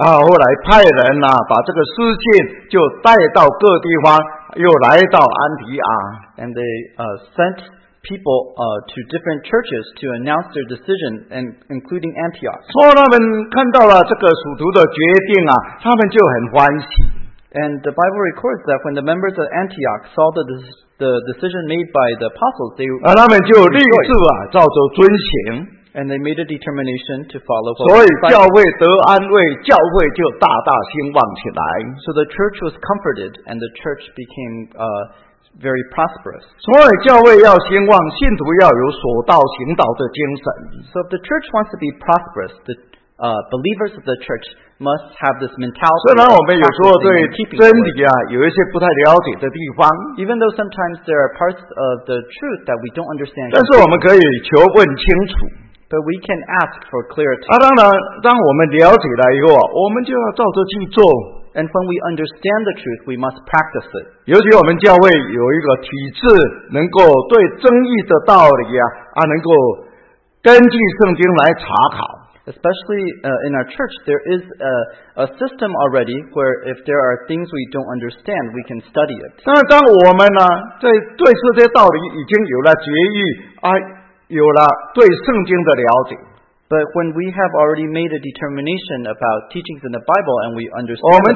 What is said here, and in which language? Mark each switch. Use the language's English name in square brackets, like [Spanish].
[Chinese] 后来派人啊, 把这个书信就带到各地方, 又来到安提阿, [English] and they sent people to different churches to announce their decision, and including Antioch. [Chinese] 说他们看到了这个使徒的决定啊, 他们就很欢喜, [English] and the Bible records that when the members of Antioch saw the decision made by the apostles, they [Chinese] 他们就立志啊, 照着遵行, [English] and they made a determination to follow. [Chinese] 所以教会得安慰, [English] so the church was comforted, and the church became very prosperous. [Chinese] 所以教会要兴旺, 信徒要有所道行道的精神. [English] So if the church wants to be prosperous, the believers of the church must have this mentality. [Chinese] 虽然我们有时候对真理啊, 有一些不太了解的地方, [English] even though sometimes there are parts of the truth that we don't understand, [Chinese] 但是我们可以求问清楚, [English] but we can ask for clarity. [Chinese] 当然当我们了解了以后啊, 我们就要照着去做, [English] and when we understand the truth, we must practice it. [Chinese] 尤其我们教会有一个体制, 能够对争议的道理啊, 能够根据圣经来查考, [English] especially in our church, there is a system already where if there are things we don't understand, we can study it. [Chinese] 当我们呢, 对这些道理已经有了决议, 有了对圣经的了解, [English] but when we have already made a determination about teachings in the Bible and we understand